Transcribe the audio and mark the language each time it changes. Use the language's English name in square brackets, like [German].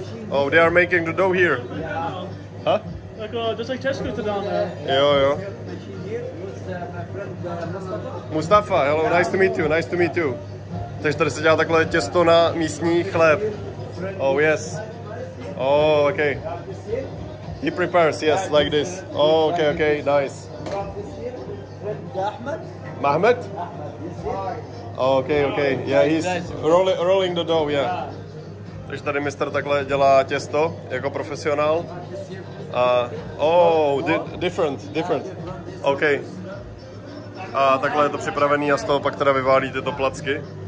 [English] Oh, they are making the dough here. Huh? Just like Tesco down there. [Czech] Jo. [English] Mustafa, hello, nice to meet you. [Czech] Takže tady se dělá takhle těsto na místní chléb. [English] Oh, yes. Oh, okay. He prepares, yes, like this. Oh, okay, nice. Mahmoud? Oh, okay. Yeah, he's rolling the dough, yeah. [Czech] Takže tady mistr takhle dělá těsto, jako profesionál. [English] Oh, different. OK. [Czech] A takhle je to připravený a z toho pak teda vyválí tyto placky.